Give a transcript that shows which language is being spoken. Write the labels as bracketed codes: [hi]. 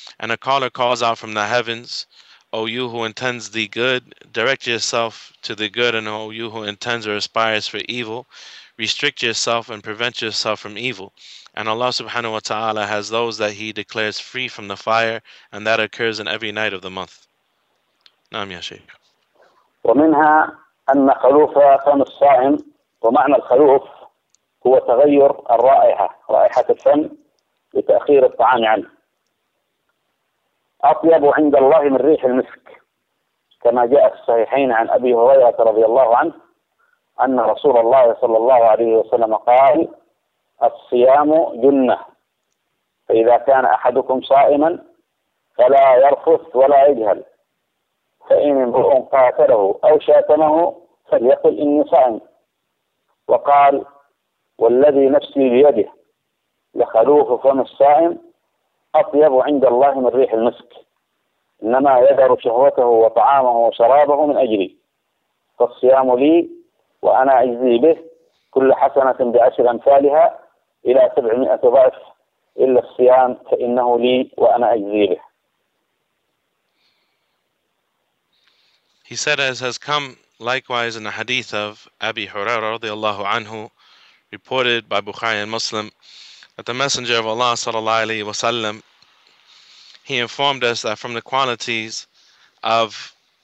[en] And a caller calls out from the heavens, O you who intends the good, direct yourself to the good, and O you who intends or aspires for evil, restrict yourself and prevent yourself from evil. And Allah subhanahu wa ta'ala has those that He declares free from the fire, and that occurs in every night of the month. [ar] Naam ya Shaykh. ومنها أن خلوف صائم ومعنى الخلوف هو تغير الرائحة رائحة الفم لتأخير الطعام عنه أطيب عند الله من ريح المسك كما جاء في الصحيحين عن أبي هريرة رضي الله عنه أن رسول الله صلى الله عليه وسلم قال الصيام جنة فإذا كان أحدكم صائما فلا يرفث ولا يجهل فإن امرؤ قاتله أو شاتمه فليقل إني صائم وقال والذي نفسي بيده لخلوف فم الصائم أطيب عند الله من ريح المسك إنما يذر شهوته وطعامه وشرابه من أجلي فالصيام لي وأنا أجزي به كل حسنة بعشر أمثالها إلى 700 ضعف إلا الصيام فإنه لي وأنا أجزي به. [en] He said, as has come likewise in the hadith of Abi Hurairah [ar] رضي الله عنه, [en] reported by Bukhari and Muslim, that the Messenger of Allah sallallahu alayhi wa sallam, he informed us that from the qualities of